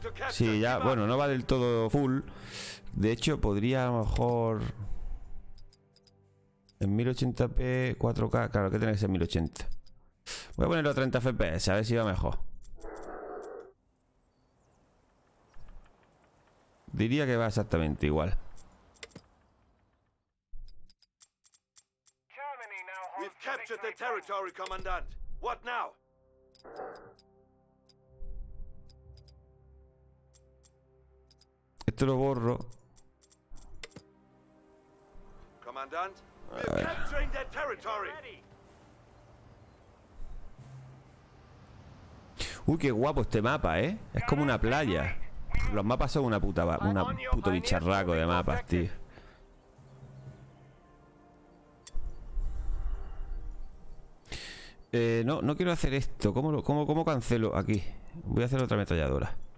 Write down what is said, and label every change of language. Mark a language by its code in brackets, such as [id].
[es] Sí, ya, bueno, no va del todo full. De hecho, podría a lo mejor en 1080p 4K, claro, que tiene que ser 1080. Voy a ponerlo a 30 FPS, a ver si va mejor. Diría que va exactamente igual. [en] We've captured the territory, commandant. What now? [es] Esto lo borro. [en] Comandante, we're capturing their territory. [es] Uy, qué guapo este mapa, ¿eh? Es como una playa. Los mapas son una puta, un puto bicharraco de mapas, tío. No, no quiero hacer esto. ¿Cómo cancelo aquí? Voy a hacer otra ametralladora.